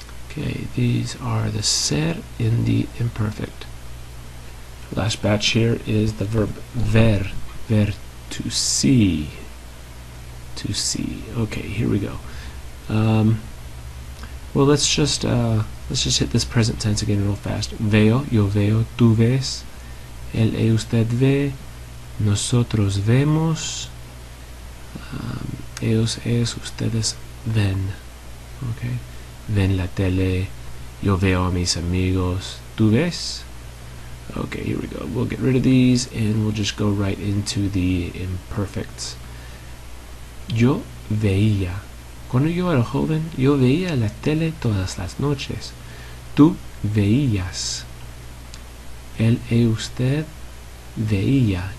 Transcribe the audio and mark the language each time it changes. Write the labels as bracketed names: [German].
[English] Okay, these are the ser in the imperfect. Last batch here is the verb ver. Ver, to see. To see. Okay, here we go. Well, let's just hit this present tense again real fast. [Spanish] Veo, yo veo, tú ves, él y usted ve, nosotros vemos, ellos, ellas, ustedes ven, okay? Ven la tele, yo veo a mis amigos, tú ves? [English] Okay, here we go. We'll get rid of these, and we'll just go right into the imperfects. [Spanish] Yo veía. Cuando yo era joven, yo veía la tele todas las noches. Tú veías. Él y usted veía.